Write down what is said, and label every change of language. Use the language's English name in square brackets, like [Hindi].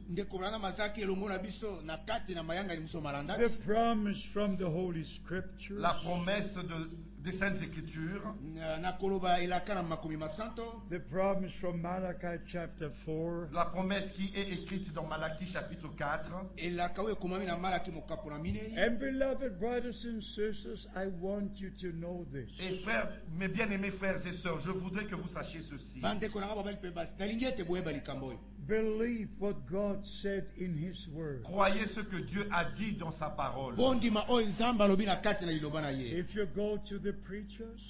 [English] The promise from the Holy Scriptures. [French] La promesse des Saintes Écritures. [English] The promise from Malachi chapter 4. [French] La promesse qui est écrite dans Malachi chapitre 4. [English] And beloved brothers and sisters, I want you to know this. [French] Et frères, mes bien-aimés frères et sœurs, je voudrais que vous sachiez ceci. [English] Believe what God said in His Word. [French] Croyez ce que Dieu a dit dans sa parole. [English] If you go to the preachers,